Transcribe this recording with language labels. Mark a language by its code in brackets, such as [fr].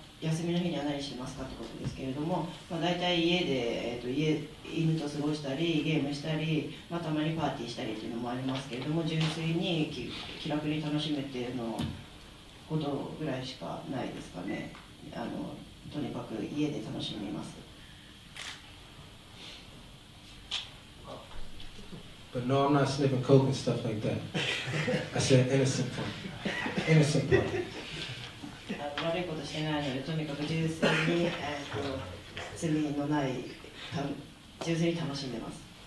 [ja] 休みの日には何してますかってことですけれども、まあ、大体家で、犬と過ごしたりゲームしたり、まあ、たまにパーティーしたりっていうのもありますけれども純粋に気楽に楽しめてるのことぐらいしかないですかね。とにかく家で楽しみます。 [en] But no, I'm not sniffing coke and stuff like that. I said innocent fun. Innocent [ja] fun. 悪いことしてないので、とにかく純粋に罪のない純粋に楽しんでます。